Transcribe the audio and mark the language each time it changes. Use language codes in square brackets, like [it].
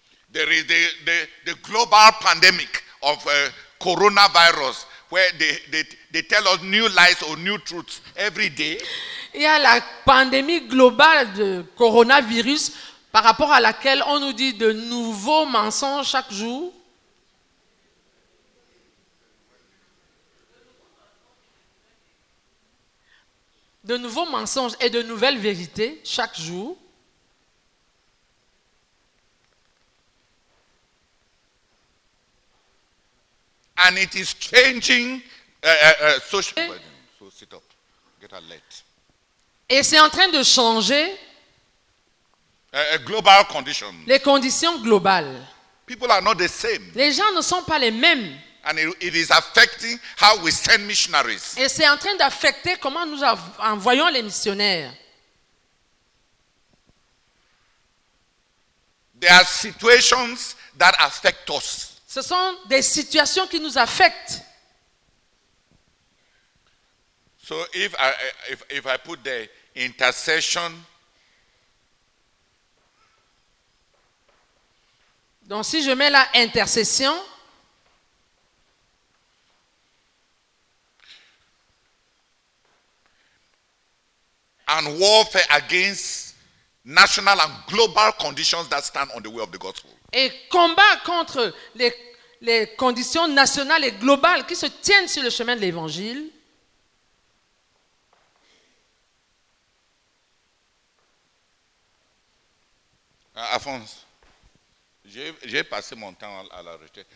[en] There is the global pandemic of coronavirus, where they tell us new lies or new truths every day. [fr] Il y a la pandémie globale de coronavirus par rapport à laquelle on nous dit de nouveaux mensonges chaque jour. De nouveaux mensonges et de nouvelles vérités chaque jour. [en] And it is changing social. Sit up, get alert. [fr] Et c'est en train de changer [en] global conditions. [fr] Les conditions globales. [en] People are not the same. [fr] Les gens ne sont pas les mêmes. [en] And it is affecting how we send missionaries. [fr] Et c'est en train d'affecter comment nous envoyons les missionnaires. [en] There are situations that affect us. [fr] Ce sont des situations qui nous affectent. [en] So if I put the intercession. [fr] Donc si je mets la intercession. [en] And warfare against national and global conditions that stand on the way of the gospel. [fr] Et combat contre les conditions nationales et globales qui se tiennent sur le chemin de l'Évangile. Alphonse, j'ai passé mon temps à la retraite.